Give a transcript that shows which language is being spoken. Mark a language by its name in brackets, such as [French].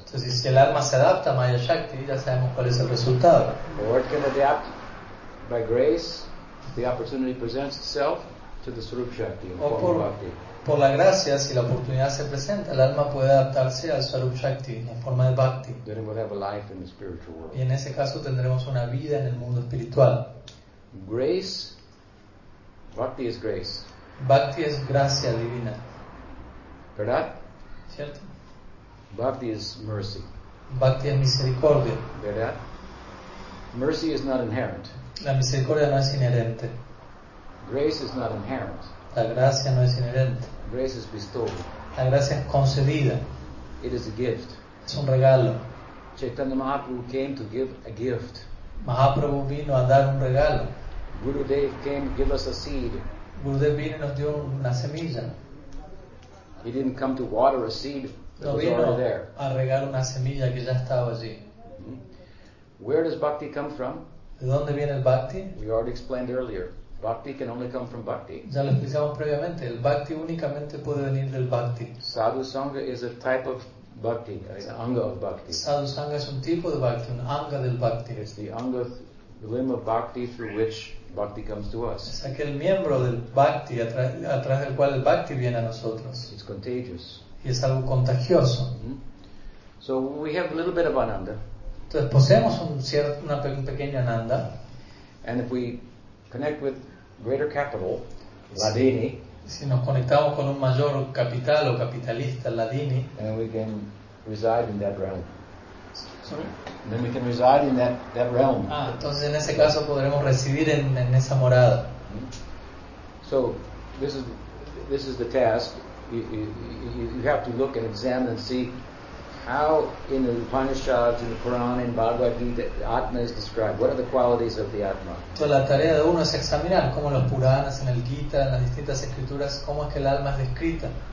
[Spanish] Entonces si el alma se adapta a Maya Shakti, ya sabemos cuál es el resultado. [English] Or it can adapt by grace, the opportunity presents itself to the Swarup Shakti in form of bhakti. [Spanish] Por la gracia, si la oportunidad se presenta, el alma puede adaptarse al Swarup Shakti en forma de bhakti. [English] Then we'll have a life in the spiritual world. [Spanish] Y en ese caso tendremos una vida en el mundo espiritual. [English] Grace, bhakti is grace. [Spanish] Bhakti es gracia divina. ¿Verdad? ¿Cierto? [English] Bhakti is mercy. [Spanish] Bhakti es misericordia. ¿Verdad? [English] Mercy is not inherent. [Spanish] La misericordia no es inherente. [English] Grace is not inherent. [Spanish] La gracia no es inherente. [English] Grace is bestowed. [Spanish] La gracia es concedida. [English] It is a gift. [Spanish] Es un regalo. [English] Chaitanya Mahaprabhu came to give a gift. [Spanish] Mahaprabhu vino a dar un regalo. [English] Gurudev came to give us a seed. [Spanish] Gurudev vino y nos dio una semilla. [English] He didn't come to water a seed that was already there. [Spanish] No vino a regar una semilla que ya estaba allí. [English] Where does bhakti come from? [Spanish] ¿De dónde viene el bhakti? [English] We already explained earlier. Bhakti can only come from bhakti. [Spanish] Ya lo explicamos previamente. El bhakti únicamente puede venir del bhakti. [English] Sadhu sangha is a type of bhakti, an anga of bhakti. [Spanish] Sadhu sangha es un tipo de bhakti, un anga del bhakti. [English] It's the anga, the limb of bhakti through which bhakti comes to us. [Spanish] Es aquel miembro del bhakti a través del cual el bhakti viene a nosotros. [English] It's contagious. [Spanish] Y es algo contagioso. [English] So we have a little bit of ananda. [Spanish] Entonces poseemos un pequeño ananda. [English] And if we connect with greater capital, Ladini. [Spanish] Si nos conectamos con un mayor capital o capitalista, Ladini. [English] And we can reside in that realm. Sorry? Then we can reside in that realm. Entonces en ese caso podremos residir en esa morada. So this is the task. You have to look and examine and see how in the Upanishads, in the Quran, in Bhagavad Gita, the Atma is described. What are the qualities of the Atma? [Spanish] Entonces la tarea de uno es examinar cómo los Puranas, en el Gita, en las distintas escrituras, cómo es que el alma es descrita.